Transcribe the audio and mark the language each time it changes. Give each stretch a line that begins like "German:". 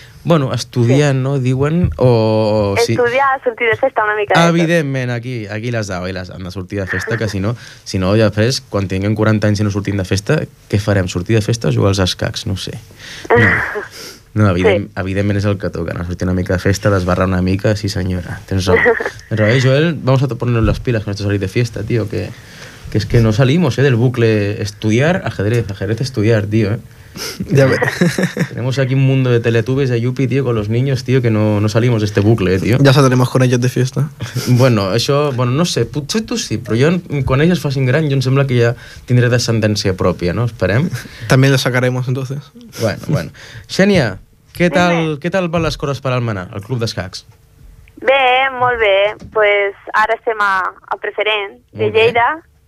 Catalan: Bueno, estudiar, sí. No, diuen, o... Estudiar, sí. Sortir de festa una mica. Evidentment, aquí les dau, les han de sortir de festa, que si no, ja després, quan tinguem 40 anys i no sortim de festa, què farem, sortir de festa o jugar als escacs? No ho sé. No evidentment és el que toca, no? Sortir una mica de festa, desbarrar una mica, sí senyora, tens raó.
Spanish: Però Joel, vamos a ponernos las pilas con esto de salir de fiesta, tío, que es que no salimos, del bucle estudiar, ajedrez estudiar, tío, eh. Ya ve. Tenemos aquí un mundo de Teletubbies de Yuppie, tío, con los niños, tío, que no salimos de este bucle, tío. Ya saldremos con ellos de fiesta. Bueno, eso, bueno,
Catalan: no sé, potser tu sí, però jo, quan ells es facin gran, jo em sembla que ja tindré descendència pròpia, no? Esperem. També
Spanish: la sacaremos, entonces. Bueno.
Catalan: Xènia, què tal van les coses per Almenar, el club d'escacs? Bé, molt bé, pues ara estem a Preferent, de Lleida.